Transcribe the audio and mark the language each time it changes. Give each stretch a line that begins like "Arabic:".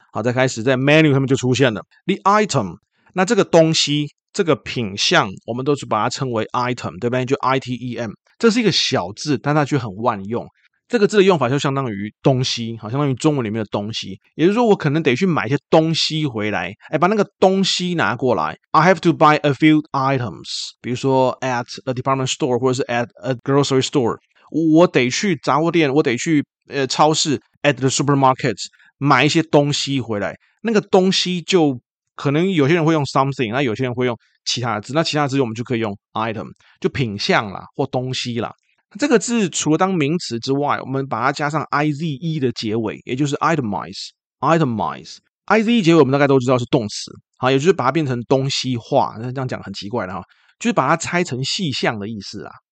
Chinese: 好，再开始在 menu 上面就出现了 the item， 那这个东西这个品项我们都是把它称为 item， 对不对？就 item， 这是一个小字，但它却很万用。这个字的用法就相当于东西，好，相当于中文里面的东西，也就是说我可能得去买一些东西回来，哎，把那个东西拿过来。
English: I have to buy a few items，
Chinese: 比如说
English: at a department store
Chinese: 或者是
English: at a grocery store，
Chinese: 我得去杂货店，我得去超市
English: at the supermarket
Chinese: 买一些东西回来。那个东西就可能有些人会用 something， 那有些人会用其他的字，那其他的字我们就可以用 item， 就品项啦或东西啦。这个字除了当名词之外，我们把它加上 ize 的结尾，也就是 itemize。 ize 结尾我们大概都知道是动词，好，也就是把它变成东西化，这样讲很奇怪的哈，就是把它拆成细项的意思啦。